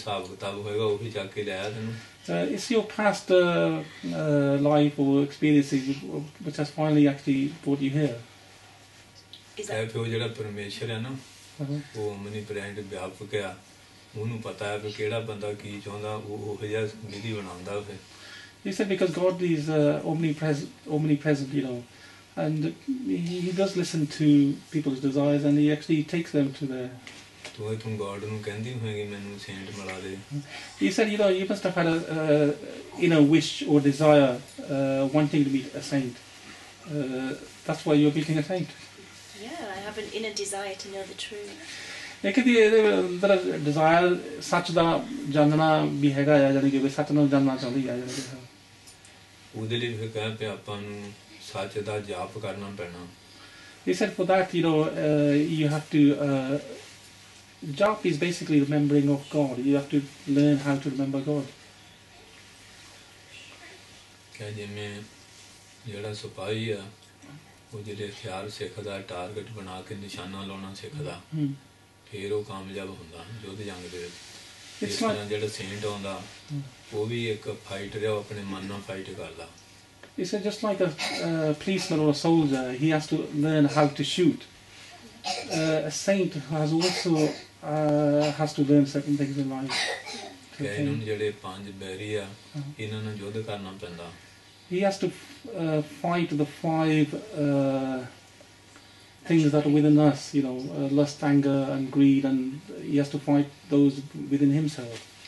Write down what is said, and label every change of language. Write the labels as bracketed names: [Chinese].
[English] It's your past life or experiences which has finally actually brought you here. Is that true? [Punjabi] Omnipresent ਵਿਆਪਕ ਆ ਉਹਨੂੰ ਪਤਾ ਹੈ ਕਿ ਕਿਹੜਾ ਬੰਦਾ ਕੀ ਚਾਹੁੰਦਾ ਉਹ ਜਿਹਾ ਵਿਧੀ ਬਣਾਉਂਦਾ ਫਿਰ [English] ਹੀ says because God is omnipresent you know and he does listen to peoples desires and he actually takes them to their [Punjabi] ਤੋ ਤੁਮ ਗੋਡ ਨੂੰ ਕਹਿੰਦੀ ਹੋਏਗੀ ਮੈਨੂੰ ਸੇਂਟ ਮਿਲਾ ਦੇ [English] He says you know you must have had a in a wish or desire wanting to meet a saint that's why you are being a saint Yeah, I have an inner desire to know the truth. [Punjabi] ਇੱਕ ਦੀ ਦਰ desire ਸੱਚ ਦਾ ਜਾਣਨਾ ਵੀ ਹੈਗਾ ਆ ਜਾਨੀ ਕਿ ਵੀ ਸੱਚ ਨੂੰ ਜਾਣਨਾ ਚਾਹੁੰਦੀ ਆ ਜਾਨੀ ਕਿ ਉਹਦੇ ਲਈ ਫਿਰ ਕਹਿੰਦੇ ਆ ਆਪਾਂ ਨੂੰ ਸੱਚ ਦਾ ਜਾਪ ਕਰਨਾ ਪੈਣਾ ਇਹ ਸਿਰ ਪਤਾ ਕਿ [English] ਲੋ you have to ਜਾਪ is basically remembering of God you have to learn how to remember God [Punjabi] ਕਿ ਜਿਵੇਂ ਜਿਹੜਾ ਸਿਪਾਹੀ ਆ ਉਹ ਜਿਹੜੇ ਹਥਿਆਰ ਸਿੱਖਦਾ ਟਾਰਗੇਟ ਬਣਾ ਕੇ ਨਿਸ਼ਾਨਾ ਲਾਉਣਾ ਸਿੱਖਦਾ ਫਿਰ ਉਹ ਕਾਮਯਾਬ ਹੁੰਦਾ ਯੁੱਧ ਜੰਗ ਦੇ ਵਿੱਚ ਇਸ ਤਰ੍ਹਾਂ ਜਿਹੜਾ ਸੇਂਟ ਆਉਂਦਾ ਉਹ ਵੀ ਇੱਕ ਫਾਈਟਰ ਆ ਉਹ ਆਪਣੇ ਮਨ ਨਾਲ ਫਾਈਟ ਕਰਦਾ [English] ਇਸ is just like a policeman or a soldier he has to learn how to shoot a saint has also has to learn certain things in life [Punjabi] ਕਿ ਇਹਨਾਂ ਜਿਹੜੇ ਪੰਜ ਬੈਰੀ ਆ ਇਹਨਾਂ ਨੂੰ ਯੁੱਧ ਕਰਨਾ ਪੈਂਦਾ [English] He has to fight the five things that are within us, you know, lust, anger, and greed, and he has to fight those within himself.